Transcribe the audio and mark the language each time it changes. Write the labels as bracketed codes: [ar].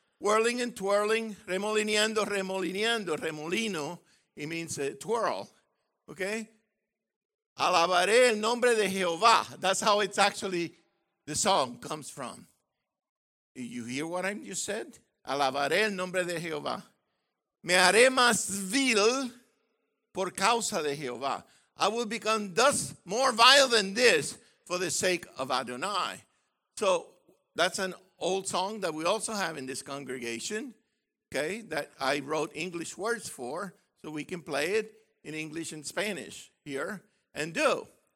[en] Whirling and twirling, [es] remolineando, remolineando, remolino, [en] it means twirl, okay? [es] Alabaré el nombre de Jehová. [en] That's how it's actually, the song comes from. You hear what I just said? [es] Alabaré el nombre de Jehová. Me haré más vil por causa de Jehová. [en] I will become thus more vile than this for the sake of Adonai. So that's an old song that we also have in this congregation, okay, that I wrote English words for, so we can play it in English and Spanish here and do.